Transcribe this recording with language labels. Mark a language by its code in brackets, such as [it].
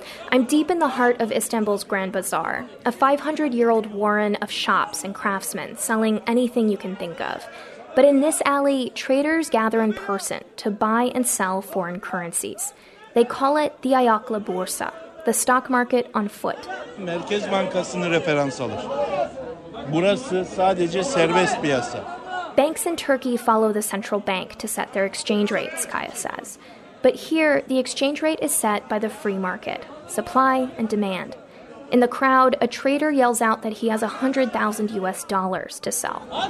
[en] I'm deep in the heart of Istanbul's Grand Bazaar, a 500-year-old warren of shops and craftsmen selling anything you can think of. But in this alley, traders gather in person to buy and sell foreign currencies. They call it the Ayakla Bursa, the stock market on foot. [tr] Merkez Bankası'nı referans alır. Burası sadece serbest piyasa. [en] Banks in Turkey follow the central bank to set their exchange rates, Kaya says. But here, the exchange rate is set by the free market, supply and demand. In the crowd, a trader yells out that he has $100,000 to sell.